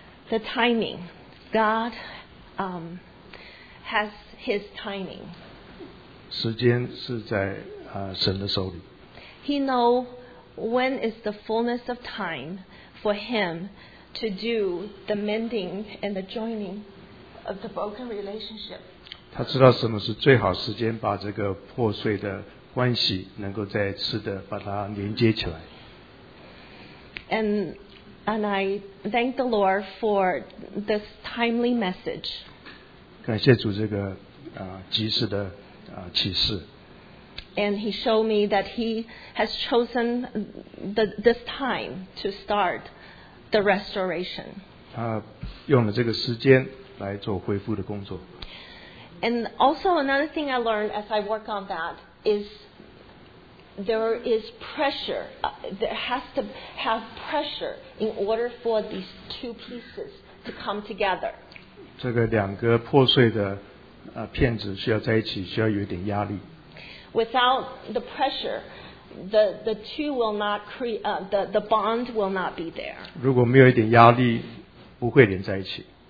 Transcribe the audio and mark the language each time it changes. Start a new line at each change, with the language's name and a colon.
English: The timing. God has his timing.
Chinese: 时间是在神的手里。
English: He knows when is the fullness of time for him to do the mending and the joining of the broken relationship.
Chinese: 他知道什么是最好时间把这个破碎的关系能够再次的把它连接起来。
English: And I thank the Lord for this timely message.
Chinese: 感谢主这个及时的启示。
English: And he showed me that he has chosen this time to start the restoration.
Chinese: 他用了这个时间来做恢复的工作。
English: And also another thing I learned as I work on that is there is pressure. There has to have pressure in order for these two pieces to come together.
Chinese: 这个两个破碎的片子需要在一起，需要有点压力。
English: Without the pressure, the two will not create the bond will not be there.
Chinese: 如果没有一点压力，不会连在一起。